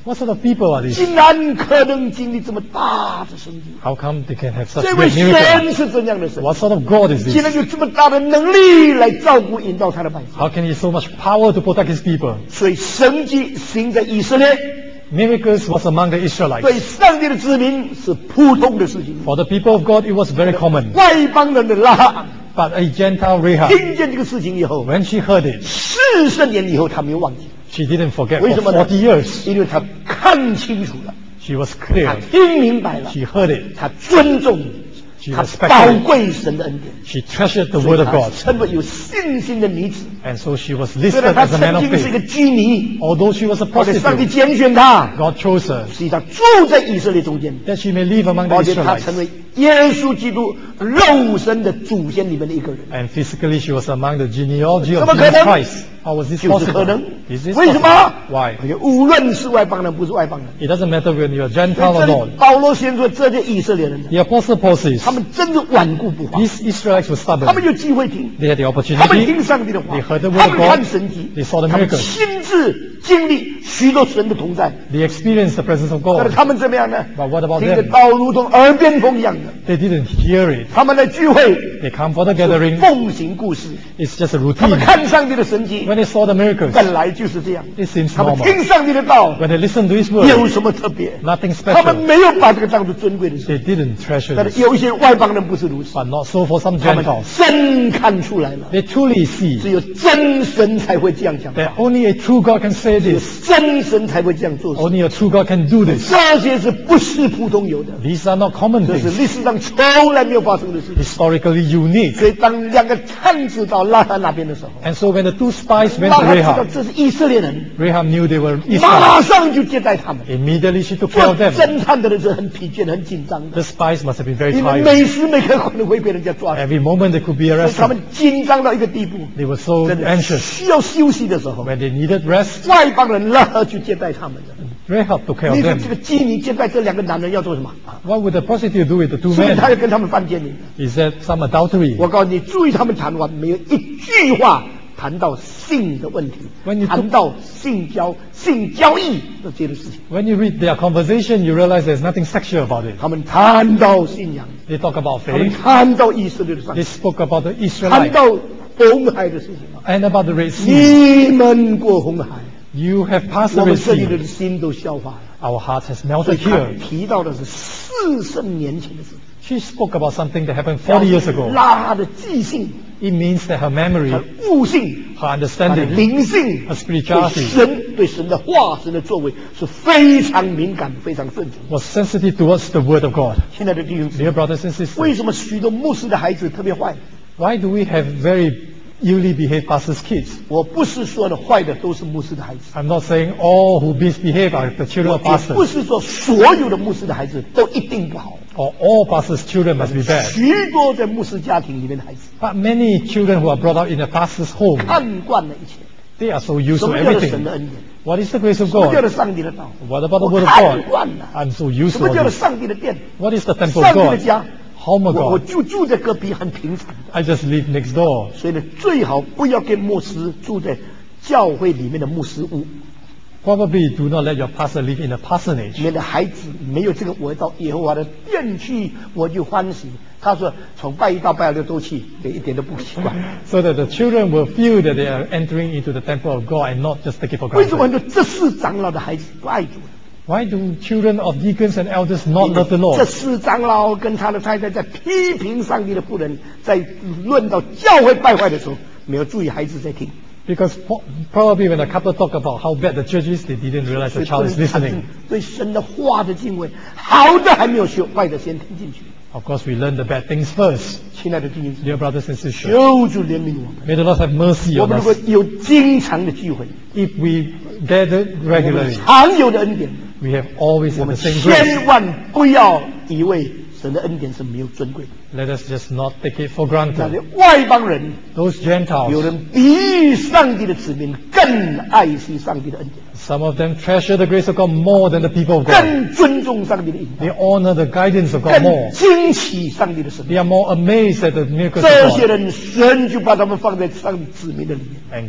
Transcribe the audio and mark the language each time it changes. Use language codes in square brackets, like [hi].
[en] ？What sort of people are these? [zh] 竟然可能经历这么大。 [en] How come they can have such great miracles? [zh] 这位神是怎样的神 [en] ？What sort of God is this? [zh] 竟然有这么大的能力来照顾引导他的百姓 [en] ？How can he so much power to protect his people? [zh] 所以神迹行在以色列 [en] ，miracles was among the Israelites. [zh] 对上帝的子民是普通的事情。 [en] For the people of God, it was very common. [zh] 外邦人的拉哈。 [en] But a Gentile Rahab, [zh] 听见这个事情以后 [en] ，when she heard it, [zh] 四十年以后她没有忘记。 [en] She didn't forget. [zh] 为什么呢 [en] ？40 years, [zh] 因为她看清楚了。 [en] She was clear. [zh] 她听明白了。 [en] She heard it. [zh] 她尊重，她宝贵神的恩典。 [en] She treasured the word of God. [zh] 成为有信心的女子。 [en] And so she was listed as a man of faith. [zh] 虽然她曾经是一个妓女。 [en] Although she was a prostitute. [zh] 上帝拣选她。 [en] God chose her. [zh] 实际上住在以色列中间。 [en] That she may live among the Israelites. [zh] 而且她成为耶稣基督肉身的祖先里面的一个人。 [en] And physically she was among the genealogy of Jesus Christ. How was this possible? [zh] 就是可能为什么 [en] Why? [zh] 无论是外邦人不是外邦人 [en] It doesn't matter when you're Gentile or not [zh] 保罗先说这些以色列人 [en] The apostle Paul says [zh] 他们真的顽固不化 [en] These Israelites were stubborn [zh] 他们有机会听 [en] They had the opportunity [zh] 他们听上帝的话 [en] They heard the word of God [zh] 他们看神迹 [en] They saw the miracle [zh] 他们亲自经历许多神的同在 [en] They experienced the presence of God [zh] 但他们怎么样呢 [en] But what about them? [zh] 听着道如同耳边风一样的 [en] They didn't hear it [zh] 他们来聚会 [en] They come for the gathering [zh] 是奉行故事 [en] It's just a routine [zh] 他们看上帝的神迹 [en] When they saw the miracles, [zh] 本来就是这样。 [en] It seems normal. [zh] 他们听上帝的道 [en] When they listen to his word, [zh] 有什么特别 [en] ？Nothing special. [zh] 他们没有把这个当作尊贵的事。 [en] They didn't treasure it. [zh] 但是有一些外邦人不是如此。 [en] But not so for some Gentiles. [zh] 他们真看出来了。 [en] They truly see. [zh] 只有真神才会这样讲。 [en] That only a true God can say this. [zh] 真神才会这样做。 [en] Only a true God can do this. [zh] 这些是不是普通有的 [en] ？These are not common things. [zh] 这是历史上从来没有发生的事。 [en] Historically unique. [zh] 所以当两个探子到拉哈那边的时候 [en] ，And so when the two spies [zh] 拉哈知道这是以色列人 [en] Rahab knew they were Israelites [zh] 马上就接待他们 [en] Immediately she took care of them [zh] 侦探的人是很疲倦很紧张的 [en] The spies must have been very tired [zh] 因为每时每刻可能会被人家抓 [en] Every moment they could be arrested [zh] 他们紧张到一个地步 [en] They were so anxious [zh] 需要休息的时候 [en] When they needed rest [zh] 外邦人拉哈就接待他们的 [en] Rahab took care of them [zh] 你说这个妓女接待这两个男人要做什么 [en] What would the prostitute do with the two men [zh] 所以他要跟他们犯奸淫 [en] Is that some adultery [zh] 我告诉你注意他们谈话没有一句话谈到性的问题 [en] When you [zh] 谈到性交性交易这些的事情 [en] When you read their conversation you realize there's nothing sexual about it [zh] 他们谈到信仰 [en] They talk about faith [zh] 他们谈到以色列的上帝 [en] They spoke about the Israelite [zh] 谈到红海的事情 [en] And about the Red Sea [zh] 你们过红海 [en] You have passed the Red Sea [zh] 我们这里的心都消化了 [en] Our heart has melted here [zh] 提到的是四十年前的事情 [en] She spoke about something that happened 40 years ago [zh] 拉哈的记性 [en] It means that her memory, [zh] 她的悟性 [en] her understanding, [zh] 她的灵性 [en] her spirituality, [zh] 对神对神的话神的作为是非常敏感非常顺从 [en] was sensitive towards the word of God. [zh] 亲爱的弟兄姊妹 [en] Dear brothers and sisters, [zh] 为什么许多牧师的孩子特别坏 [en] Why do we have very illy behaved pastors' kids? [zh] 我不是说的坏的都是牧师的孩子 [en] I'm not saying all who misbehave are the children of pastors. [zh] 我也不是说所有的牧师的孩子都一定不好 [en] Or all pastors' children must be bad. [zh] 许多在牧师家庭里面的孩子 [en] But many children who are brought up in a pastor's home [zh] 看惯了一切 [en] They are so used to everything. [zh] 什么叫神的恩典 [en] What is the grace of God? [zh] 什么叫做上帝的道 [en] What about the word of God? [zh] 我看惯了 [en] I'm so used to all this. [zh] 什么叫做上帝的殿 [en] What is the temple of God? [zh] 上帝的家好嘛，我住在隔壁，很平常。 [en] I just live next door。 [zh] 所以呢，最好不要跟牧师住在教会里面的牧师屋。 [en] Probably do not let your pastor live in a parsonage。 [zh] 免得孩子没有这个，我到耶和华的殿去，我就欢喜。他说，从拜一到拜六都去，一点都不奇怪。 [en] So that the children will feel that they are entering into the temple of God and not just take it for granted。 [zh] 为什么很多这是长老的孩子不爱主？ [en] Why do children of deacons and elders not love the Lord? [zh] 这四长老跟他的太太在批评上帝的仆人，在论到教会败坏的时候，没有注意孩子在听。 [en] Because probably when a couple talk about how bad the church is, they didn't realize the child is listening. [zh] 对神的话的敬畏，好的还没有学，坏的先听进去。 [en] Of course, we learn the bad things first. [zh] 亲爱的弟兄姊妹 [en] dear brothers and sisters, [zh] 求主怜悯我们。 [en] May the Lord have mercy on us. [zh] 我们如果有经常的聚会 [en] ，if we gather regularly, [zh] 常有的恩典。 [en] We have always the same grace. [zh] 千万不要以为神的恩典是没有尊贵。 [en] Let us just not take it for granted. [zh] 那些外邦人 [en] ，those Gentiles， [zh] 有人比上帝的子民更爱惜上帝的恩典。 [en] Some of them treasure the grace of God more than the people of God. [zh] 更尊重上帝的引导。 [en] They honor the guidance of God more. [zh] 更惊奇上帝的神。 [en] They are more amazed at the miracles of God. [zh] 这些人神就把他们放在上帝子民的里面。